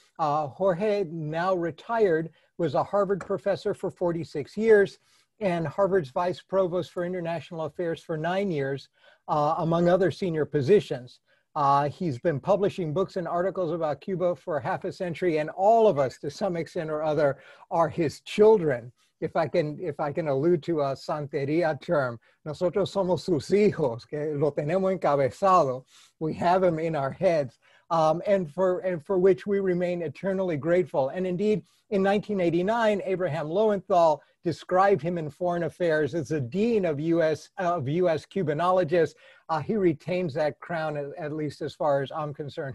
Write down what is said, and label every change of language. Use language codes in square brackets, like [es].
[en] Jorge, now retired, was a Harvard professor for 46 years and Harvard's vice provost for international affairs for 9 years, among other senior positions. He's been publishing books and articles about Cuba for half a century, and all of us, to some extent or other, are his children. If I can allude to a Santería term, [es] nosotros somos sus hijos, que lo tenemos encabezado. [en] We have him in our heads, and for which we remain eternally grateful. And indeed, in 1989, Abraham Lowenthal described him in Foreign Affairs as a dean of U.S. Cubanologists. He retains that crown, at least as far as I'm concerned.